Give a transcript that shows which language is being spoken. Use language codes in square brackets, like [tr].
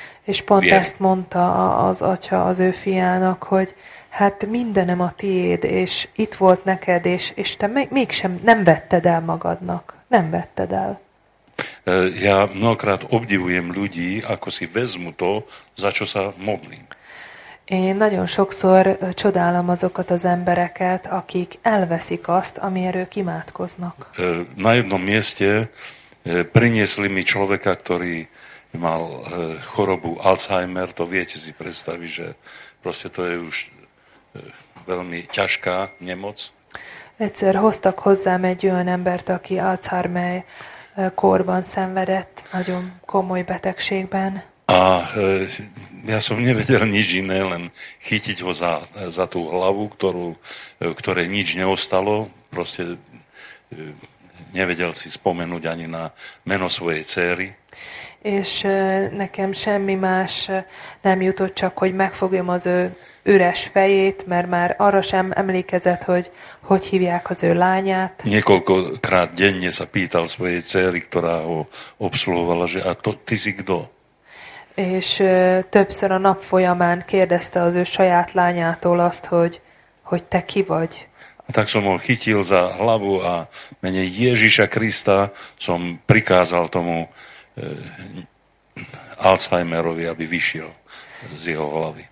[hu] És pont ezt mondta az atya az ő fiának, hogy hát mindenem a tiéd, és itt volt neked, és te mégsem nem vetted el magadnak, nem vetted el. [sk] Ja mnohokrát obdivujem ľudí, ako si vezmu to, za čo sa modlím. [hu] Én nagyon sokszor csodálom azokat az embereket, akik elveszik azt, amiért ők imádkoznak. [sk] Na jednom mieste priniesli mi človeka, ktorý mal chorobu Alzheimer, to viete si predstaviť, že proste to je už veľmi ťažká nemoc. [hu] Egyszer hoztak hozzám egy olyan embert, aki Alzheimer korban szenvedett, nagyon komoly betegségben. [sk] A ja som nevedel nič iné, len chytiť ho za tú hlavu, ktorej nič neostalo. Proste nevedel si spomenúť ani na meno svojej céry. [hu] És nekem semmi más nem jutott, csak hogy megfogjam az ő üres fejét, mert már arra sem emlékezett, hogy hívják az ő lányát. [sk] Niekoľkokrát denne sa pýtal svojej céry, ktorá ho obsluhovala, že a to ty si kdo? [hu] És többször a nap folyamán kérdezte az ő saját lányától azt, hogy te ki vagy. [sk] Tak som ho chytil za hlavu a mene Ježiša Krista som prikázal tomu Alzheimerovi, aby vyšiel z jeho hlavy.